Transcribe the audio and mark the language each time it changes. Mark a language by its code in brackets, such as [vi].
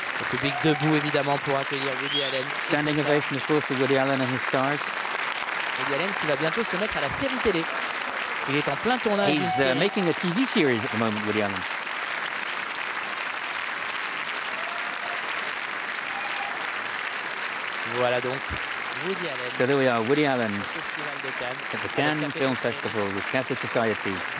[fr] Public debout évidemment pour accueillir Woody Allen. [en] Standing ovation of course for Woody Allen and his stars. [fr] Woody Allen qui va bientôt se mettre à la série télé. Il est en plein tournage. [en] He's making a TV series at the moment, Woody Allen. [fr] Voilà donc Woody Allen. [en] So there we are, Woody Allen at the Cannes Film Festival with Catholic Society.